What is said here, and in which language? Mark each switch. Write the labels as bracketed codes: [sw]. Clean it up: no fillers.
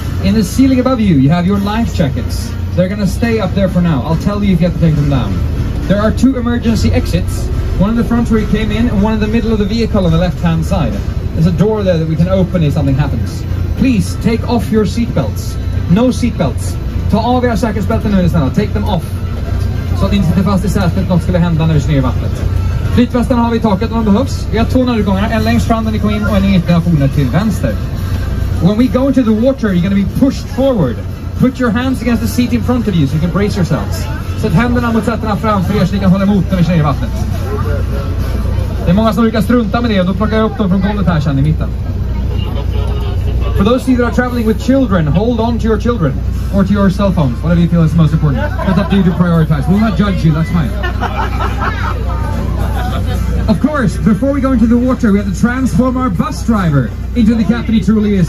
[en] In the ceiling above you, you have your life jackets. They're gonna stay up there for now. I'll tell you if you have to take them down. There are two emergency exits, one in the front where you came in, and one in the middle of the vehicle on the left-hand side. There's a door there that we can open if something happens. Please, take off your seatbelts. No seatbelts. [sv] Ta av era säkerhetsbälten nu istället. [en] Take them off. [sv] Så att ni inte sitter fast i sätet, något skulle hända när vi snöar vattnet. Flytvästarna har vi i taket om de behövs. Vi har två nödutgångar, en längst fram när ni kommer in och en i ytterna till vänster. [en] When we go into the water, you're going to be pushed forward. Put your hands against the seat in front of you so you can brace yourselves. [sv] Sätt händerna mot sätterna fram för er så ni kan hålla emot när vi kör i vattnet. Det är många som brukar strunta med det och då plockar jag upp dem från golvet här sedan i mitten. [en] For those of you that are traveling with children, hold on to your children. Or to your cell phones, whatever you feel is most important. That's up to you to prioritize. We'll not judge you, that's fine. Of course, before we go into the water, we have to transform our bus driver into the captain he truly is.